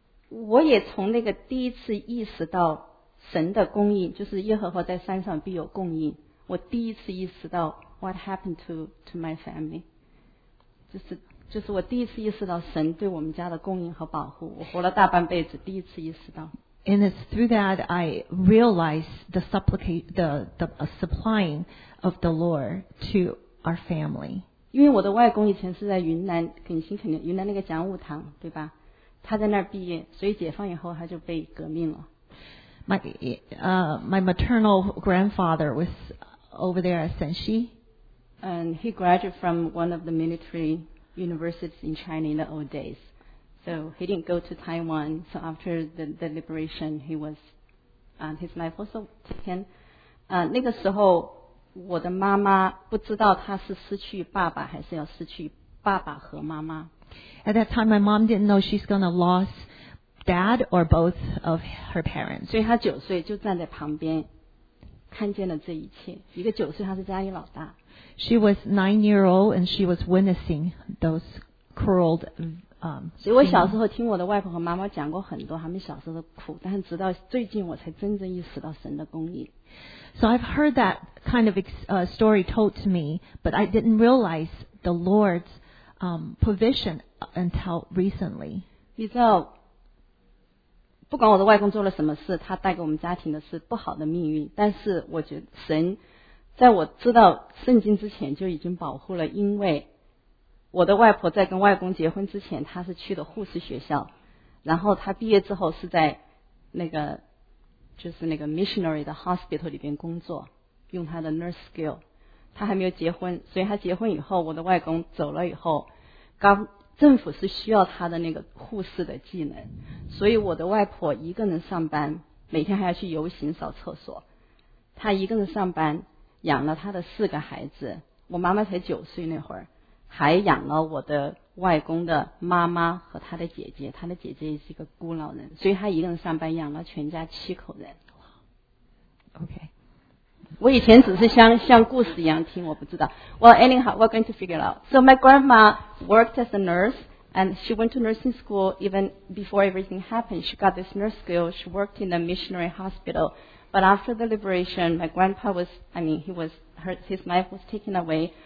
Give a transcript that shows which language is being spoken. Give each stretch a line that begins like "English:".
Chinese: 我也从那个第一次意识到神的供应，就是耶和华在山上必有供应。我第一次意识到
English: what happened to my family.
Chinese: 就是我第一次意识到神对我们家的供应和保护。我活了大半辈子，第一次意识到。
English: And it's through that I realized the supplying of the Lord to our family.
Chinese: 因为我的外公以前是在云南耿新垦丁云南那个讲武堂，对吧？他在那儿毕业，所以解放以后他就被革命了。
English: My maternal grandfather was over there at Shanxi. And he graduated from one of the military universities in China in the old days. So he didn't go to Taiwan. So after the liberation, he was, his life was taken.
Chinese: 那个时候我的妈妈不知道她是失去爸爸还是要失去爸爸和妈妈。
English: At that time, my mom didn't know she's going to lose dad or both of her parents.
Chinese: 所以她九岁就站在旁边看见了这一切。一个九岁她是家里老大。
English: She was 9 years old and she was witnessing those cruel
Chinese: 所以我小时候听我的外婆和妈妈讲过很多他们小时候的苦，但是直到最近我才真正意识到神的公义。
English: So I've heard that kind of story told to me, but I didn't realize the Lord's provision until recently.
Chinese: 你知道，不管我的外公做了什么事，他带给我们家庭的是不好的命运，但是我觉得神在我知道圣经之前就已经保护了，因为。我的外婆在跟外公结婚之前，她是去的护士学校，然后她毕业之后是在那个就是那个 missionary 的 hospital 里边工作，用他的 nurse skill。他还没有结婚，所以他结婚以后，我的外公走了以后，政府是需要他的那个护士的技能，所以我的外婆一个人上班，每天还要去游行扫厕所。他一个人上班，养了他的四个孩子，我妈妈才九岁那会儿，还养了我的外公的妈妈和他的姐姐，他的姐姐也是一个孤老人，所以他一个人上班养了全家七口人。 OK，我以前只是像故事一样听，我不知道。
English: Well, anyhow, we're going to figure it out. So my grandma worked as a nurse, and she went to nursing school even before everything happened. She got this nurse skill. She worked in a missionary hospital. But after the liberation, my grandpa his life was taken away.